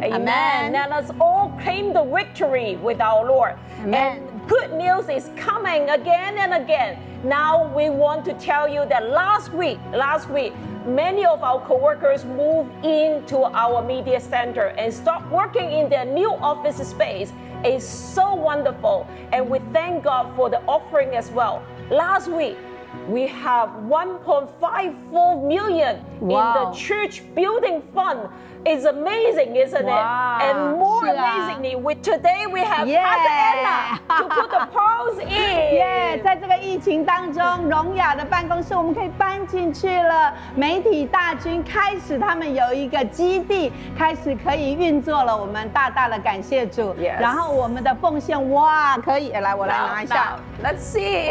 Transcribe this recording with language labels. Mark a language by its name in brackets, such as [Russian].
[English] Amen. Amen. And let's all claim the victory with our Lord. Amen. And good news is coming again and again. Now we want to tell you that last week,Many of our co-workers moved into our media center and start working in their new office space. It's so wonderful. And we thank God for the offering as well. Last week, we have 1.54 million in the church building fund. It's amazing, isn't it? And more amazingly, today we have Pastor Emma to put the pearls in. [Chinese] Yeah, 在这个疫情当中，荣雅的办公室我们可以搬进去了。媒体大军开始，他们有一个基地开始可以运作了。我们大大的感谢主。 [English] Yes. [Chinese] 然后我们的奉献，哇，可以来，我来拿一下。 [English] Let's see.